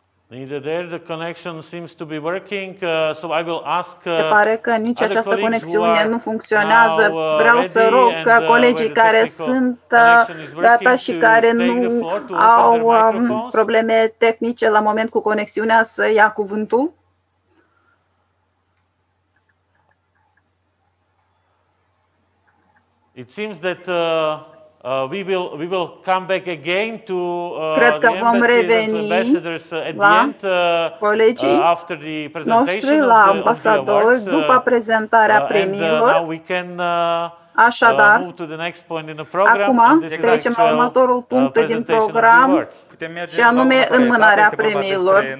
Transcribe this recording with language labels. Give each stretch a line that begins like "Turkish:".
English: Neither there, the connection seems to be working, so I will ask.
Romanian: Se pare că nici această conexiune nu funcționează. Vreau să rog ca colegii care sunt gata și care nu au probleme tehnice la moment cu conexiunea să ia cuvântul.
English: It seems that we will come back again to
Romanian: cred că vom reveni la colegii
English: after the presentation
Romanian: noștri, la ambasador, după prezentarea premiilor. Așadar, acum trecem la următorul punct din program, și anume înmânarea premiilor.